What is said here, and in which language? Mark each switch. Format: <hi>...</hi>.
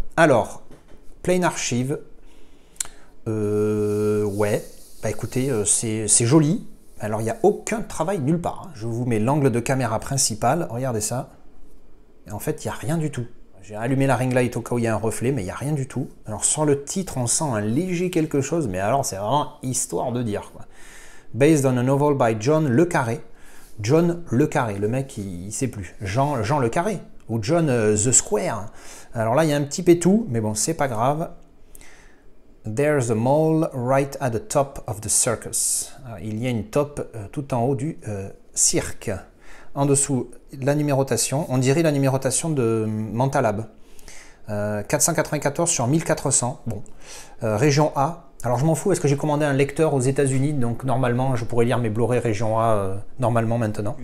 <fr>Alors, Plain Archive, ouais, bah écoutez, c'est joli. Alors, il n'y a aucun travail nulle part. Je vous mets l'angle de caméra principal. Regardez ça. Et en fait, il n'y a rien du tout. J'ai allumé la ring light au cas où il y a un reflet, mais il n'y a rien du tout. Alors, sur le titre, on sent un léger quelque chose, mais alors, c'est vraiment histoire de dire, quoi.</fr> <en>Based on a novel by John Le Carré.</en> <fr>John Le Carré, le mec, il ne sait plus. Jean Le Carré ou John The Square. Alors là, il y a un petit pétou, mais bon, c'est pas grave.</fr> <en>There's a mole right at the top of the circus.</en> <fr>Alors, il y a une top tout en haut du cirque. En dessous, la numérotation. On dirait la numérotation de Mental Lab. 494 sur 1400. Bon. Région A. Alors je m'en fous, est-ce que j'ai commandé un lecteur aux États-Unis, donc normalement je pourrais lire mes Blu-ray région A normalement maintenant.</fr>